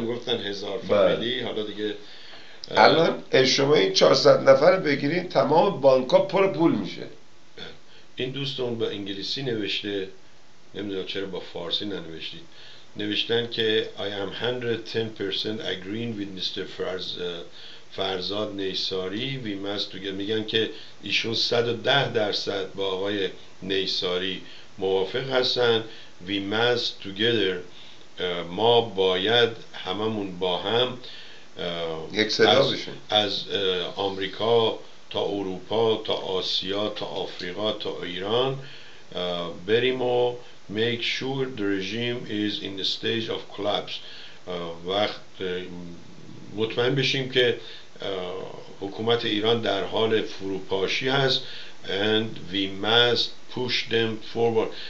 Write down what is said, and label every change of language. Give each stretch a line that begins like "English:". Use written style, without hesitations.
Persian: گفتن هزار فامیلی. حالا دیگه الان شما این 400 نفر بگیرین تمام بانک ها پر پول میشه. این دوستون با انگلیسی نوشته، نمیدونم چرا با فارسی ننوشتی، نوشتن که
English: I am 110% agreeing with Mr. فرزاد نیساری، we must together.
Persian: میگن که ایشون 110% با آقای نیساری موافق هستن،
English: we must together،
Persian: ما باید هممون با هم یک صدا بشیم، از آمریکا تا اروپا تا آسیا تا آفریقا تا ایران بریم و
English: make sure the regime is in the stage of collapse،
Persian: وقت مطمئن بشیم که حکومت ایران در حال فروپاشی است،
English: and we must push them forward.